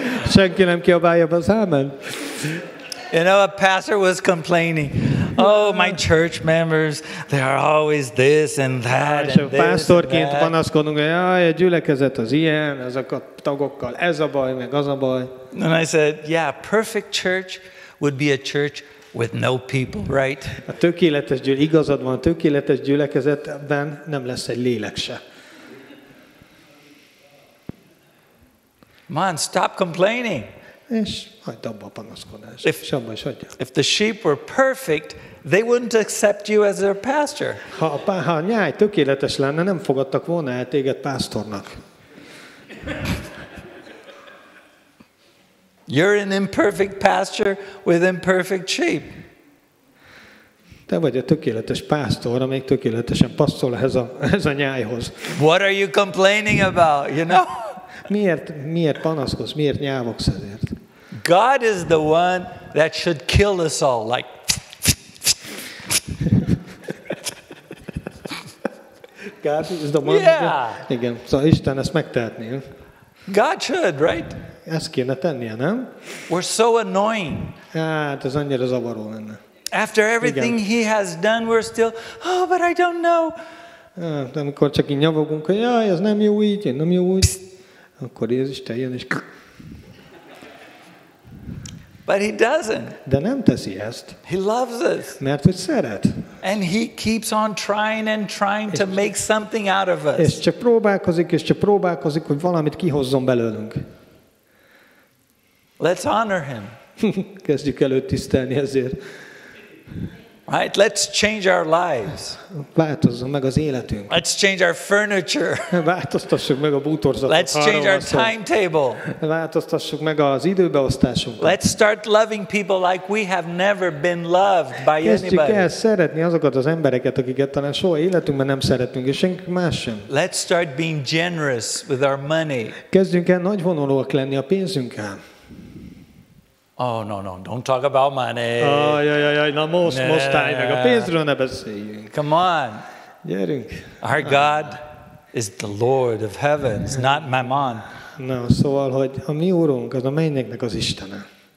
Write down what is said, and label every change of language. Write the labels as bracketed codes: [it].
[hu] Senki nem kiabálja be az ámen. [en] You know, a pastor was complaining. Oh, my church members, they are always this and that. [hu] És a pásztorként panaszkodunk, hogy jaj, a gyülekezet az ilyen, azok a tagokkal ez a baj, meg az a baj. [en] And I said, yeah, perfect church would be a church with no people, right? [hu] A tökéletes gyülekezet, igazad van, a tökéletes gyülekezetben nem lesz egy lélek se. [en] Man, stop complaining. [hu] És hagyd abba a panaszkodást. [en] If the sheep were perfect, they wouldn't accept you as their pastor. [hu] Ha a nyáj tökéletes lenne, nem fogadtak volna el téged pásztornak. [en] You're an imperfect pastor with imperfect sheep. [hu] Te vagy a tökéletes pásztor, amelyik tökéletesen passzol ehhez a nyájhoz. [en] What are you complaining about, you know? [hu] Miért panaszkodsz? Miért nyávogsz ezért? [en] God is the one that should kill us all, like. God is the one. Yeah. [hu] Igen. So Isten ezt megtehetné. [en] God should, right? [hu] Ezt kéne tennie, nem? [en] We're so annoying. [hu] Hát ez annyira zavaró lenne. [en] After everything he has done, we're still, oh, but I don't know. [hu] De amikor csak így nyavogunk, hogy jaj, ez nem jó így, nem jó úgy, akkor Jézus teljen, és [en] But he doesn't. [hu] De nem teszi ezt. [en] He loves us. [hu] Mert hogy szeret. [en] And he keeps on trying and trying to make something out of us. [hu] És csak próbálkozik, és csak próbálkozik, hogy valamit kihozzon belőlünk. [en] Let's honor him. [hu] Kezdjük el őt tisztelni ezért. [en] Right, let's change our lives. [hu] Változzon meg az életünk. [en] Let's change our furniture. [hu] Változtassuk meg a bútorzatot. [en] Let's change our timetable. [hu] Változtassuk meg az időbeosztásunkat. [en] Let's start loving people like we have never been loved by anybody. [hu] Kezdjük el szeretni azokat az embereket, akiket talán soha életünkben nem szeretünk, és senki más sem. [en] Let's start being generous with our money. [hu] Kezdjünk el nagyvonalúak lenni a pénzünkkel. [en] Oh no, don't talk about money. [hu] Ay, na most time, meg a pénzről ne beszéljünk. [en] Come on. [hu] Gyerünk. [en] Our God is the Lord of heavens, not mammon. [hu] No, szóval, hogy a mi úrunk az a mennyeknek az Istene.